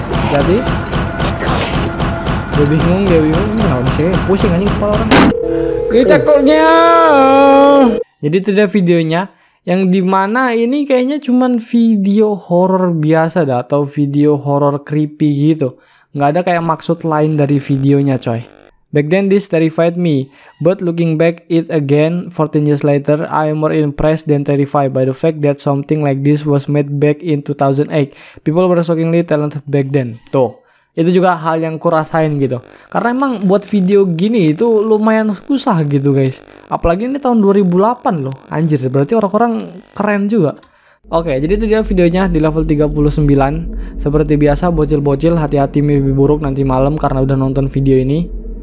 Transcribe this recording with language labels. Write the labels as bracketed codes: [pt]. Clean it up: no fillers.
[id] Jadi dia bingung, nggak bisa, pusing aja kepala orang. Kita koknya. Jadi itu dia videonya. Yang dimana ini kayaknya cuman video horror biasa dah, atau video horror creepy gitu. Nggak ada kayak maksud lain dari videonya coy. [en] Back then this terrified me, but looking back it again 14 years later, I am more impressed than terrified by the fact that something like this was made back in 2008. People were shockingly talented back then. [id] Tuh, itu juga hal yang kurasain gitu. Karena emang buat video gini itu lumayan susah gitu guys. Apalagi ini tahun 2008 loh. Anjir, berarti orang-orang keren juga. Oke, jadi itu dia videonya di level 39. Seperti biasa, bocil-bocil hati-hati mimpi buruk nanti malam karena udah nonton video ini.